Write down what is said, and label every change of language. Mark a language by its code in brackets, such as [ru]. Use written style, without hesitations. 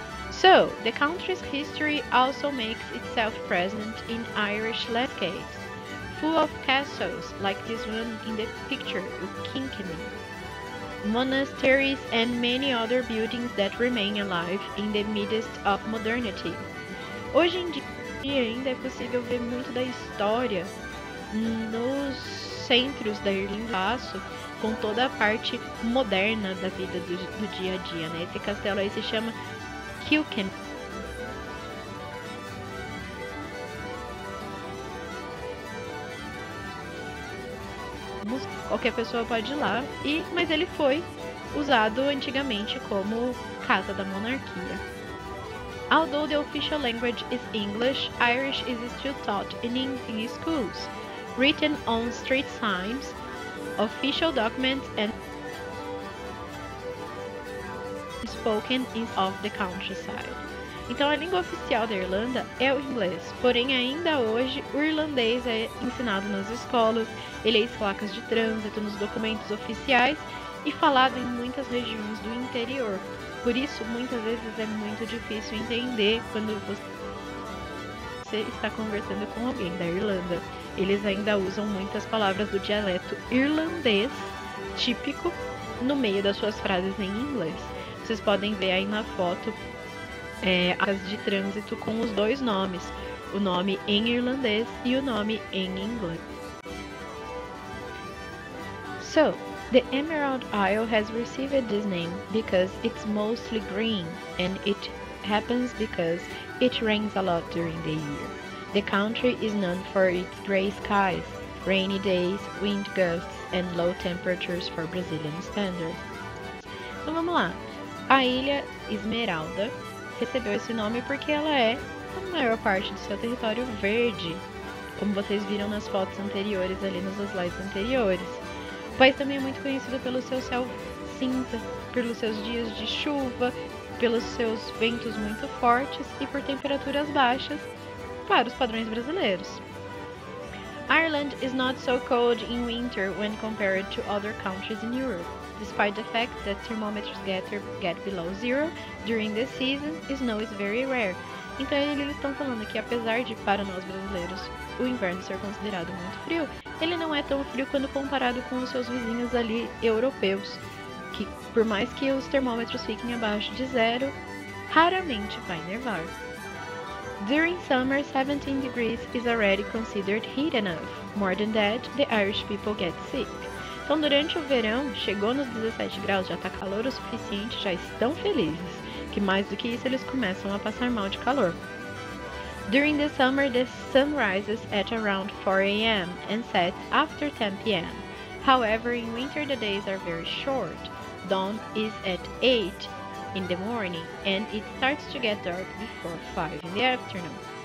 [en] So, the country's history also makes itself present in Irish landscapes, full of castles like this one in the picture with Kinkenny, monasteries and many other buildings that remain alive in the midst of modernity. [pt] Hoje em dia ainda é possível ver muito da história nos centros da Irlanda, com toda a parte moderna da vida do dia a dia, né? Esse castelo aí se chama Kilken. Qualquer pessoa pode ir lá, mas ele foi usado antigamente como casa da monarquia. [en] Although the official language is English, Irish is still taught in English schools, written on street signs, official documents and spoken is of the countryside. [pt] Então a língua oficial da Irlanda é o inglês, porém ainda hoje o irlandês é ensinado nas escolas, ele é em placas de trânsito, nos documentos oficiais e falado em muitas regiões do interior. Por isso muitas vezes é muito difícil entender quando você está conversando com alguém da Irlanda. Eles ainda usam muitas palavras do dialeto irlandês típico no meio das suas frases em inglês. Vocês podem ver aí na foto as de trânsito com os dois nomes, o nome em irlandês e o nome em inglês. [en] So, the Emerald Isle has received this name because it's mostly green and it happens because it rains a lot during the year. The country is known for its gray skies, rainy days, wind gusts and low temperatures for Brazilian standards. [pt] Então vamos lá. A Ilha Esmeralda recebeu esse nome porque ela é a maior parte do seu território verde, como vocês viram nas fotos anteriores, ali nos slides anteriores. O país também é muito conhecido pelo seu céu cinza, pelos seus dias de chuva, pelos seus ventos muito fortes e por temperaturas baixas para os padrões brasileiros. [en] Ireland is not so cold in winter when compared to other countries in Europe. Despite the fact that thermometers get below zero during the season, snow is very rare. [pt] Então eles estão falando que apesar de para nós brasileiros o inverno ser considerado muito frio, ele não é tão frio quando comparado com os seus vizinhos ali europeus, que por mais que os termômetros fiquem abaixo de zero, raramente vai nevar. [en] During summer, 17 degrees is already considered heat enough. More than that, the Irish people get sick. [pt] Então, durante o verão, chegou nos 17 graus, já está calor o suficiente, já estão felizes. Que mais do que isso, eles começam a passar mal de calor. [en] During the summer, the sun rises at around 4 a.m. and sets after 10 p.m. However, in winter, the days are very short. Dawn is at 8 in the morning and it starts to get dark before 5 in the afternoon.